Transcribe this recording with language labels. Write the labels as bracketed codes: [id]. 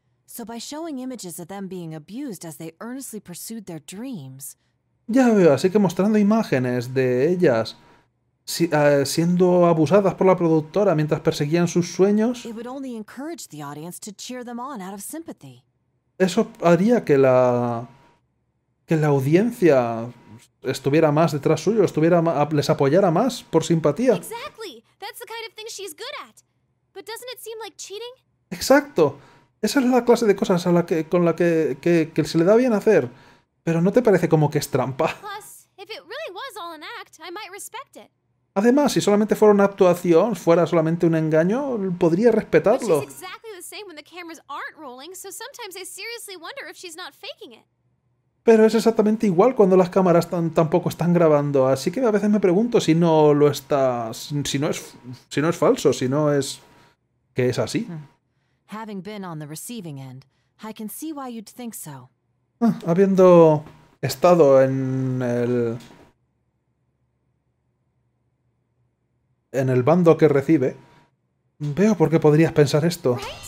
[en] So by showing images of them being abused as they earnestly pursued their dreams. [es] Ya veo, así que mostrando imágenes de ellas siendo abusadas por la productora mientras perseguían sus sueños. [en] It would only encourage the audience to cheer them on out of sympathy. [es] Eso haría que la audiencia estuviera más detrás suyo, les apoyara más por simpatía. [en] Exactly. That's the kind of thing she's good at. But doesn't it seem like cheating? [es] Exacto. Esa es la clase de cosas que se le da bien hacer. Pero ¿no te parece como que es trampa? [en] Plus, if it really was all an act, I might respect it. [es] Además, si solamente fuera una actuación, fuera solamente un engaño, podría respetarlo. [en] But she's exactly the same when the cameras aren't rolling, so sometimes I seriously wonder if she's not faking it. [es] Pero es exactamente igual cuando las cámaras tampoco están grabando, así que a veces me pregunto si no lo está, si no es falso, si no es que es así. [en] Having been on the receiving end, I can see why you'd think so. [es] Habiendo estado en el bando que recibe, veo por qué podrías pensar esto.